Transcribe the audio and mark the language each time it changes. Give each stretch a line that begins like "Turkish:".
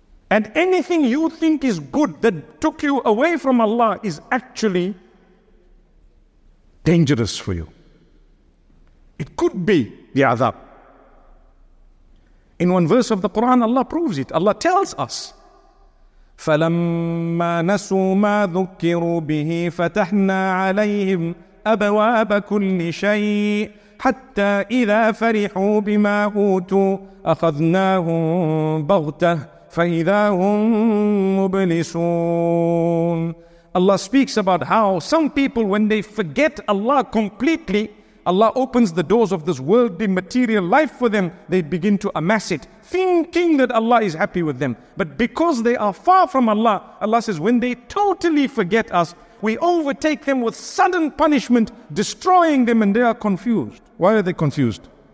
English: And anything you think is good that took you away from Allah is actually dangerous for you. It could be the adab. In one verse of the Quran, Allah proves it. Allah tells us,
Arabic: فَلَمَّا نَسُوا مَا ذُكِّرُوا بِهِ فَتَحْنَا عَلَيْهِمْ أبواب كل شيء حتى إذا فرحوا بما أوتوا أخذناهم بغتة فإذا هم مبلسون.
English: Allah speaks about how some people, when they forget Allah completely, Allah opens the doors of this worldly material life for them. They begin to amass it, thinking that Allah is happy with them. But because they are far from Allah, Allah says, when they totally forget us, we overtake them with sudden punishment, destroying them, and they are confused. Why are they confused?